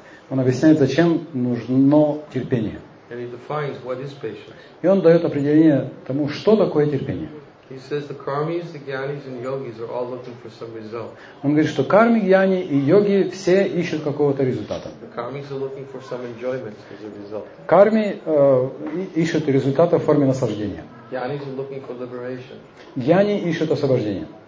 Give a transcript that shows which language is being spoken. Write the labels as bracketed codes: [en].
[ru] Он объясняет, зачем нужно терпение. [en] And he defines what is patience. [ru] И он дает определение тому, что такое терпение. [en] He says the karmis, the gyanis, and yogis are all looking for some result. [ru] Он говорит, что карми, гьяни и йоги все ищут какого-то результата. [en] The karmis are looking for some enjoyment as a result. [ru] Карми ищут результата в форме наслаждения. [en] Gyanis are looking for liberation. [ru] Гьяни ищут освобождение.